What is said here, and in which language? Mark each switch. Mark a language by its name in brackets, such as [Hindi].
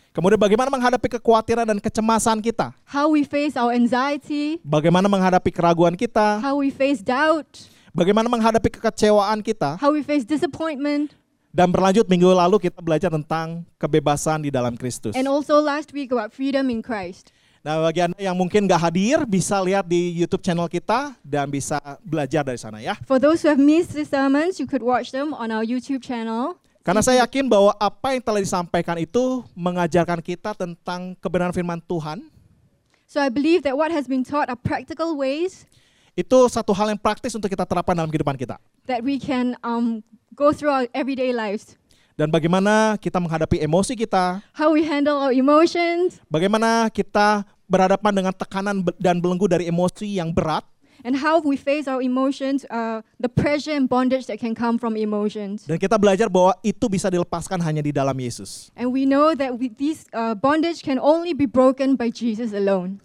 [Indonesian] Kemudian bagaimana menghadapi kekhawatiran dan kecemasan kita? [English] How we face our anxiety. [Indonesian] Bagaimana menghadapi keraguan kita? [English] How we face doubt. [Indonesian] Bagaimana menghadapi kekecewaan kita? [English] How we face disappointment. [Indonesian] Dan berlanjut minggu lalu kita belajar tentang kebebasan di dalam Kristus. [English] And also last week about freedom in Christ. [Indonesian] Nah, bagi Anda yang mungkin enggak hadir bisa lihat di YouTube channel kita dan bisa belajar dari sana ya. [English] For those who have missed the sermons, you could watch them on our YouTube channel. [Indonesian] Karena saya yakin bahwa apa yang telah disampaikan itu mengajarkan kita tentang kebenaran firman Tuhan. [English] So I believe that what has been taught are practical ways. [Indonesian] Itu satu hal yang praktis untuk kita terapkan dalam kehidupan kita. [English] That we can go through our everyday lives. [Indonesian] Dan bagaimana kita menghadapi emosi kita? [English] How we handle our emotions? [Indonesian] Bagaimana kita berhadapan dengan tekanan dan belenggu dari emosi yang berat? [English] And how we face our emotions, the pressure and bondage that can come from emotions. [Indonesian] Dan kita belajar bahwa itu bisa dilepaskan hanya di dalam Yesus. [English] And we know that this bondage can only be broken by Jesus alone.